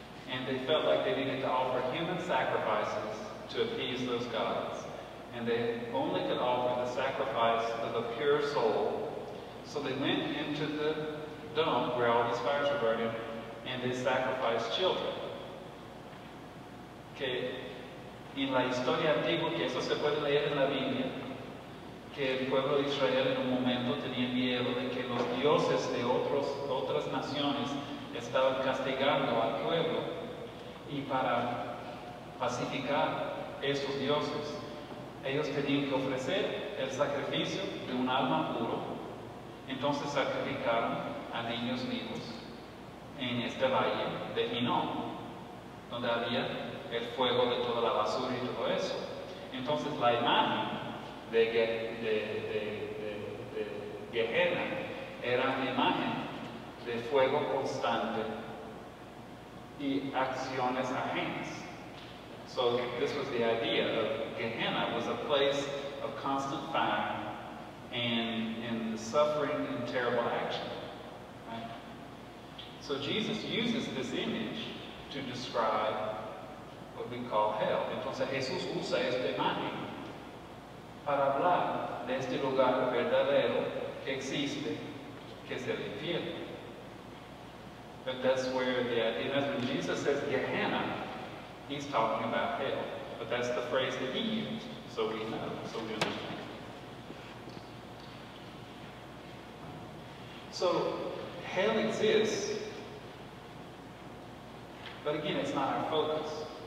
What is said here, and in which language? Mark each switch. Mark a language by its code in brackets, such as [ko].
[en] And they felt like they needed to offer human sacrifices to appease those gods. And they only could offer the sacrifice of a pure soul. So they went into the dump where all these fires were burning, and they sacrificed children. [es] Que en la historia antigua, que eso se puede leer en la Biblia, que el pueblo de Israel en un momento tenía miedo de que los dioses de otras naciones estaban castigando al pueblo. Y para pacificar esos dioses, ellos tenían que ofrecer el sacrificio de un alma puro. Entonces sacrificaron a niños vivos en este valle de Hinnom, donde había el fuego de toda la basura y todo eso. Entonces la imagen de Gehenna era una imagen de fuego constante y acciones ajenas. [en] So this was the idea of Gehenna, was a place of constant fire and the suffering and terrible action. Right? So Jesus uses this image to describe what we call hell. Entonces Jesús usa esta imagen para hablar de este lugar verdadero que existe, que es el infierno. But that's where the idea, when Jesus says Gehenna, he's talking about hell. But that's the phrase that he used, so we know, so we understand. So, hell exists, but again, it's not our focus.